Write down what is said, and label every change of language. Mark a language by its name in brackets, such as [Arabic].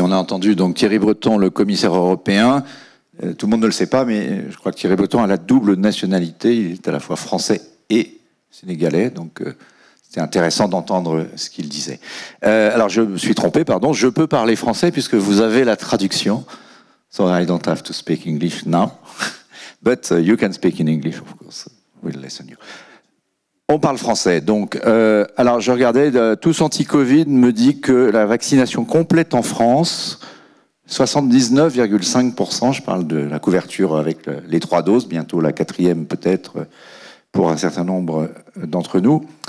[French] On a entendu donc Thierry Breton, le commissaire européen. Tout le monde ne le sait pas, mais je crois que Thierry Breton a la double nationalité. Il est à la fois français et sénégalais, donc c'était intéressant d'entendre ce qu'il disait. Alors, je me suis trompé, pardon. Je peux parler français puisque vous avez la traduction. [English] So I don't have to speak English now. But you can speak in English, of course. We'll listen you. [French] On parle français. Donc, alors, je regardais, tous anti-Covid me dit que la vaccination complète en France, 79,5%, je parle de la couverture avec les trois doses, bientôt la quatrième peut-être, pour un certain nombre d'entre nous.